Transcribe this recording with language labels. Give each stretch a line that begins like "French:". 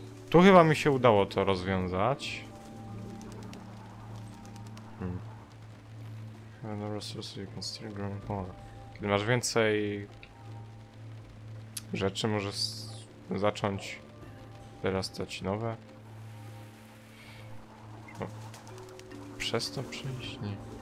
Polish: Tu chyba mi się udało to rozwiązać.
English: No resources, you can still grow more.
Polish: Kiedy masz więcej rzeczy, możesz zacząć wyrastać nowe. Przez to przejść? Nie.